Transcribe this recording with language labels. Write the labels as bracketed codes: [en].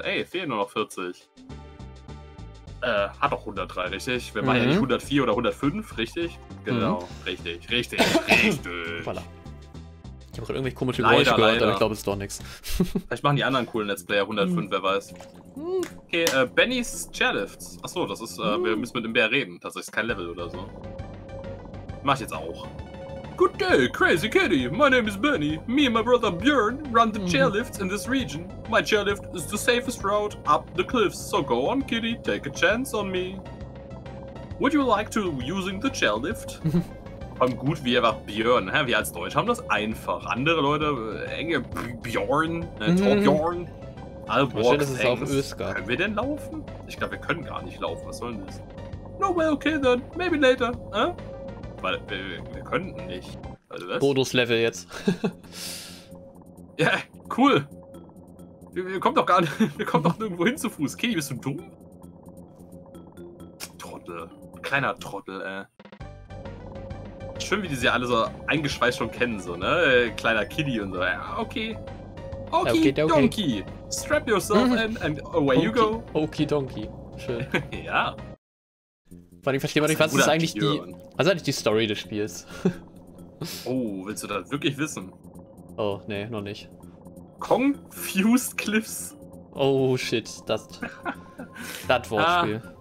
[de] Ey, fehlen nur noch 40. Hat doch 103, richtig? Wir machen ja nicht 104 oder 105, richtig? Genau, richtig. Voilà. Ich habe gerade irgendwelche komische Geräusche gehört, leider. Aber ich glaube, es ist doch nichts. Vielleicht machen die anderen coolen Let's Player 105, wer weiß. Okay, Benny's Chairlifts. Achso, das ist, wir müssen mit dem Bär reden. Tatsächlich ist kein Level oder so. Mach ich jetzt auch. [en] Good day, crazy kitty. My name is Benny. Me and my brother Björn run the chairlifts in this region. My chairlift is the safest route up the cliffs. So go on, kitty, take a chance on me. Would you like to using the chairlift? [de] Gut, wie einfach Björn. Hä? Wir als Deutsche haben das einfach. Andere Leute, enge Björn, Torbjörn, Alborgs, Engs. Können wir denn laufen? Ich glaube, wir können gar nicht laufen. Was soll denn das? [en] No way, well, okay then. Maybe later. Hä? [de] Weil wir könnten nicht. Also, was? Bonus-Level jetzt. Ja, cool. Wir kommen doch gar nicht. Wir kommen doch nirgendwo hin zu Fuß. Kitty, bist du dumm? Trottel. Kleiner Trottel, ey. Schön, wie die sie alle so eingeschweißt schon kennen, so, ne? Kleiner Kitty und so. Ja, okay. Okay. Donkey. [en] Strap yourself and away you go. [de] Okay, Donkey. Schön. Ja. Vor allem verstehe ich nicht, was ist eigentlich die. Was ist eigentlich die Story des Spiels? Oh, willst du das wirklich wissen? Oh, nee, noch nicht. [en] Confused Cliffs. [de] Oh shit, das. Das Wortspiel.